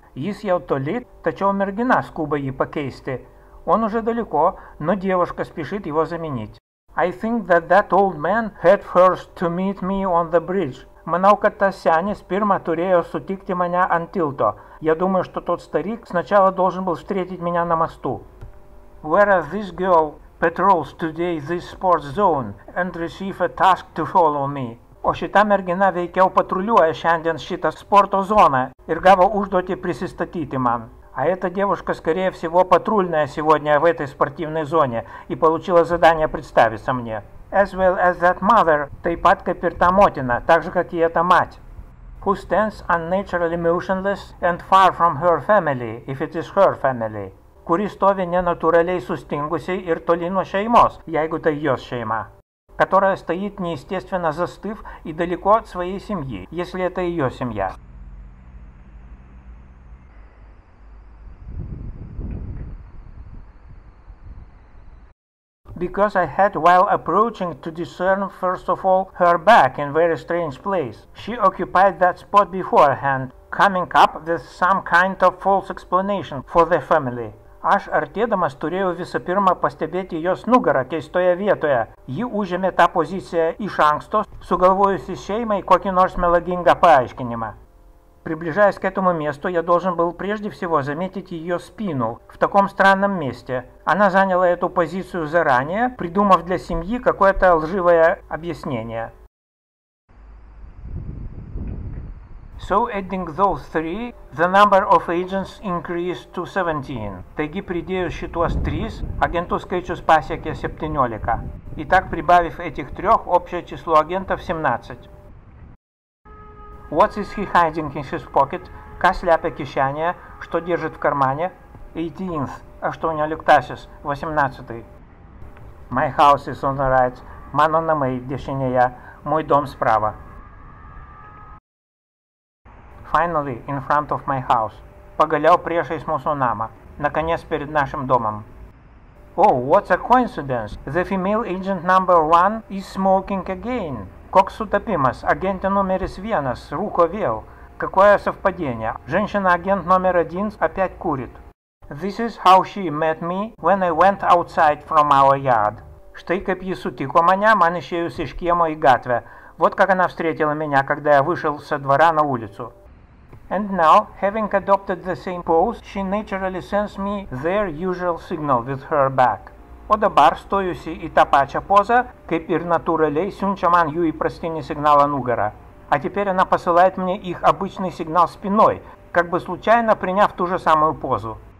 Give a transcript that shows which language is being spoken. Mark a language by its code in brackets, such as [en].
[lt] Jis jau toli, tačiau mergina skuba jį pakeisti. [ru] Он уже далеко, но девушка спешит его заменить. [en] I think that that old man had first to meet me on the bridge. [lt] Manau, kad tas senis pirma turėjo sutikti mane ant tilto. [ru] Я думаю, что тот старик сначала должен был встретить меня на мосту. [en] Whereas this girl patrols today this sports zone and receive a task to follow me. [lt] O šita mergina veikiau patruliuoja šiandien šitą sporto zoną ir gavo užduotį prisistatyti man. [ru] А эта девушка, скорее всего, патрульная сегодня в этой спортивной зоне и получила задание представиться мне. [en] As well as that mother, [lt] taip pat kaip ir та мотина, [ru] так же, как и эта мать. [en] Who stands unnaturally motionless and far from her family, if it is her family. [lt] Kuri stovi nenatūraliai sustingusiai ir toli nuo šeimos, jeigu tai jos šeima. [ru] Которая стоит неестественно застыв и далеко от своей семьи, если это ее семья. [en] Because I had while approaching to discern first of all her back in very strange place. She occupied that spot beforehand, coming up with some kind of false explanation for the family. [lt] Aš artėdamas turėjau visą pirmą pastebėti jos nugarą keistoje vietoje. Ji užėmė tą poziciją iš anksto, sugalvojusi šeimai kokį nors melagingą paaiškinimą. [ru] Приближаясь к этому месту, я должен был прежде всего заметить ее спину в таком странном месте. Она заняла эту позицию заранее, придумав для семьи какое-то лживое объяснение. [en] So adding those three, the number of agents increased to 17. [lt] Таigi, pridėjus šituos tris, agentų skaičius pasiekė 17. [ru] Итак, прибавив этих трех, общее число агентов 17. [en] What is he hiding in his pocket? [lt] Ką slepia kišenėje? [ru] Что держит в кармане? 18th. А что у него лектасис? 18. [en] My house is on the right. [lt] Mano namai dešinėje. [ru] Мой дом справа. [en] Finally, in front of my house. [lt] Pagaliau priešais mūsų namą. [ru] Наконец, перед нашим домом. [en] Oh, what a coincidence. The female agent number one is smoking again. [lt] Koks sutapimas, agentė numeris vienas, rūko vėl. [ru] Какое совпадение, женщина-агент номер один опять курит. [en] This is how she met me when I went outside from our yard. [lt] Štai kaip ji sutiko mane, man išėjus iš kiemo į gatvę. [ru] Вот как она встретила меня, когда я вышел со двора на улицу. [en] And now, having adopted the same pose, she naturally sends me their usual signal with her back. [lt] O dabar, stojusi į tą pačią pozą, kaip ir natūraliai, siunčia man jų įprastinį signalą nugarą. [ru] А теперь она посылает мне их обычный сигнал спиной, как бы случайно приняв ту же самую позу.